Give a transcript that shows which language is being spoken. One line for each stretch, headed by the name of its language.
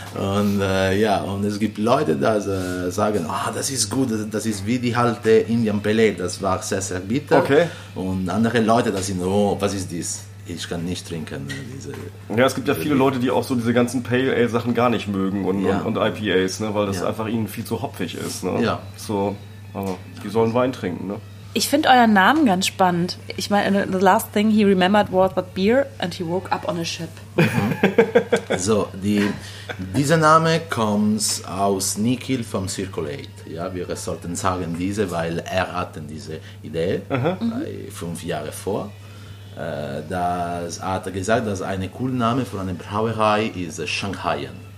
German: Und ja, und es gibt Leute, die sagen, ah, das ist gut, das ist wie die alte Indian Pale Ale, das war sehr, sehr bitter. Okay. Und andere Leute, die sagen, oh, was ist das? ich kann nicht trinken. Diese ja, es gibt ja viele Leute, die auch so diese ganzen Pale Ale Sachen gar nicht mögen und IPAs, ne, weil das einfach ihnen viel zu hopfig ist. Ne? Ja. So, aber die sollen Wein trinken, ne? Ich finde euren Namen ganz spannend. Ich meine,
English: the last thing he remembered was that beer and he woke up on a ship.
German: So, dieser Name kommt aus Nikhil vom Circulate. Ja, wir sollten sagen diese, weil er hatte diese Idee fünf Jahre vor. Das hat er gesagt, dass ein cooler Name für eine Brauerei ist Shanghaien.